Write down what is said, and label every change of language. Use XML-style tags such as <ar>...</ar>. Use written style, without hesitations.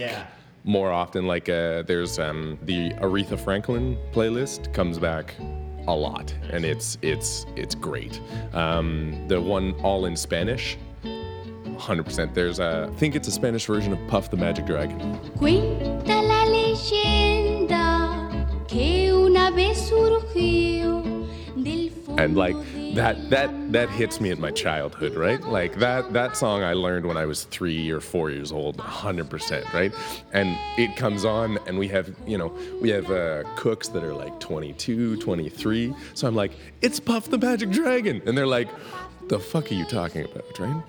<en>yeah, more often. Like there's the Aretha Franklin playlist comes back a lot, and it's great. The one all in Spanish, 100%. There's a, I think it's a Spanish version of Puff the Magic Dragon.</en> <es>Cuenta la leyenda que una vez surgió del fondo.</es> <en>And like that hits me in my childhood, right? Like that song I learned when I was 3 or 4 years old, 100%, right? And it comes on and we have, you know, we have cooks that are like 22, 23. So I'm like, it's Puff the Magic Dragon. And they're like, the fuck are you talking about, right?</en>